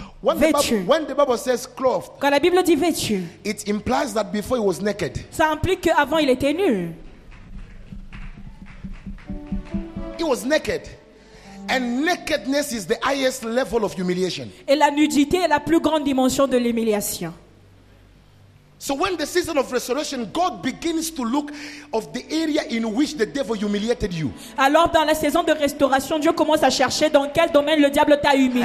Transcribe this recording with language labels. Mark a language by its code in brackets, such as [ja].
[en] When the Bible says clothed, [fr] quand la Bible dit vêtu, [en] it implies that before he was naked, [fr] ça implique qu'avant il était nu. [en] He was naked, and nakedness is the highest level of humiliation. [fr] Et la nudité est la plus grande dimension de l'humiliation. [en] So when the season of restoration, God begins to look of the area in which the devil humiliated you. [fr] Alors dans la saison de restauration, Dieu commence à chercher dans quel domaine le diable t'a humilié.